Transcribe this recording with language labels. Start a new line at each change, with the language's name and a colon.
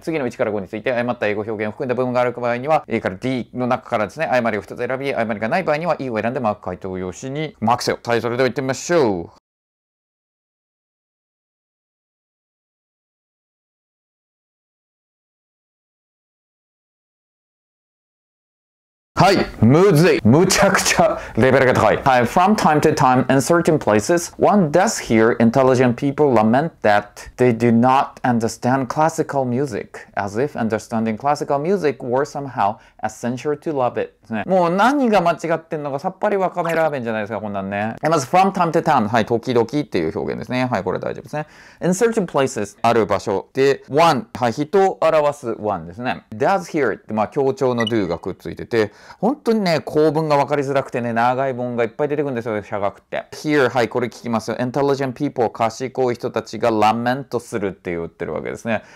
Japanese: 次の1から5について、誤った英語表現を含んだ部分がある場合には、A から D の中からですね、誤りを1つ選び、誤りがない場合には E を選んでマーク回答用紙にマークせよ。はい、それでは行ってみましょう。はい、むずい。むちゃくちゃレベルが高い。
English: はい、from time to time in certain places, one does hear intelligent people lament that they do not understand classical music, as if understanding classical music were somehow essential to love it.、
Japanese: ね、もう何が間違ってんのかさっぱりわかめラーメンじゃないですか、こんなんね。まず、
English: from time to time、
Japanese: はい、時々っていう表現ですね。はい、これ大丈夫ですね。
English: in certain places、
Japanese: ある場所で、one、はい、人を表す one ですね。
English: does hear
Japanese: って、まあ、強調の do がくっついてて、本当にね、構文が分かりづらくてね、長い文がいっぱい出てくるんですよ、社学って。 Here、はい、これ聞きますよ。
English: Intelligent people、
Japanese: 賢い人たちがラメントするって言ってるわけですね。